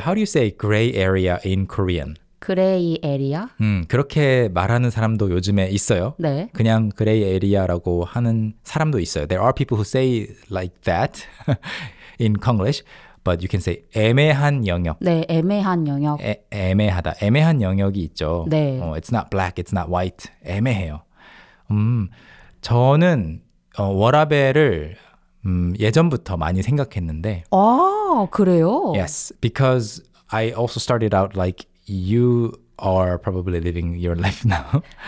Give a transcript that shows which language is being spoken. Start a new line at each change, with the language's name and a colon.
English: How do you say gray area in Korean? Gray area?
Korean: 그렇게 말하는 사람도 요즘에 있어요. 네. 그냥 gray area라고 하는 사람도 있어요.
English: There are people who say like that in Konglish. But you can say
Korean: 애매한 영역. 네, 애매한 영역. 애매하다. 애매한 영역이 있죠. 네.
English: It's not black, it's not white.
Korean: 애매해요. 저는 워라벨을 예전부터 많이 생각했는데. 아, 그래요?
English: Yes, because I also started out like you are probably living your life now.